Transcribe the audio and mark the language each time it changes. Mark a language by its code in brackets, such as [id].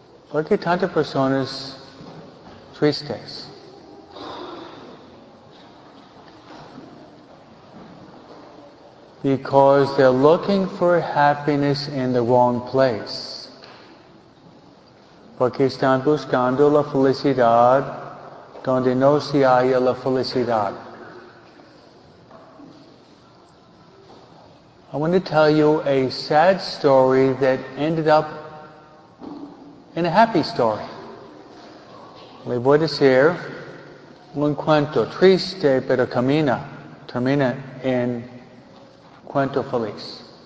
[es] ¿Por qué tantas personas tristes? [en] Because they're looking for happiness in the wrong place. [es] Porque están buscando la felicidad donde no se halla la felicidad. [en] I want to tell you a sad story that ended up in a happy story. [es] Le voy a decir un cuento triste, pero termina en cuento feliz.